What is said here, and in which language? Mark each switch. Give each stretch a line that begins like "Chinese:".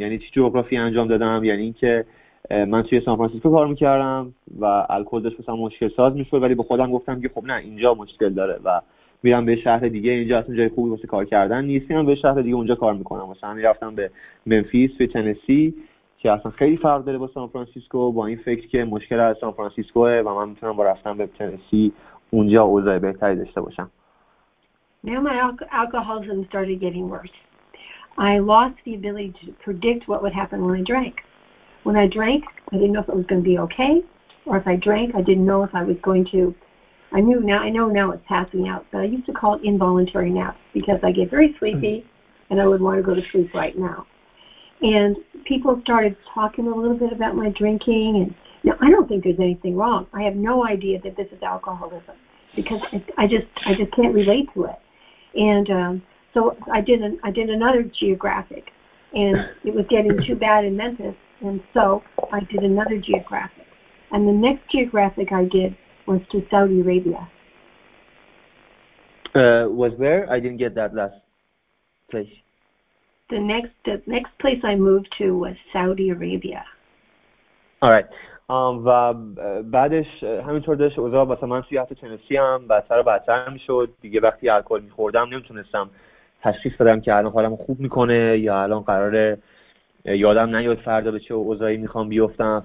Persian: یعنی چی جغرافی انجام دادم؟ یعنی اینکه من توی سان فرانسیسکو کار میکردم و الکل داشت مثلا مشکل ساز میشد، ولی به خودم گفتم که خب نه، اینجا مشکل داره و میرم به شهر دیگه، اینجا اصلا جای خوبی واسه کار کردن نیست، میرم به شهر دیگه اونجا کار میکنم. مثلا میرفتم به منفیس توی تنسی که اصلا خیلی فرق داره با سان فرانسیسکو، با این فکر که مشکل از سان فرانسیسکوه و من میتونم با رفتن به تنسی اونجا اوضاع بهتری داشته باشم.
English: Now my alcoholism started getting worse. I lost the ability to predict what would happen when I drank. When I drank, I didn't know if it was going to be okay, or if I drank, I didn't know if I was going to. I know now it's passing out, but I used to call it involuntary naps because I get very sleepy and I would want to go to sleep right now. And people started talking a little bit about my drinking, and now I don't think there's anything wrong. I have no idea that this is alcoholism because I just can't relate to it. And so I did another geographic, and it was getting too bad in Memphis, and so I did another geographic. And the next geographic I did was to Saudi Arabia. Was where? I didn't get that last place. The next place I moved to was Saudi Arabia. All right.
Persian: و بعدش همینطور داشت اوضاع واسه من توی حتی تنسی هم بدتر و بدتر میشد دیگه. وقتی الکل میخوردم نمیتونستم تشخیص بدم که الان حالم خوب میکنه یا الان قراره یادم نیاد فردا به چه اوضاعی میخوام بیفتم.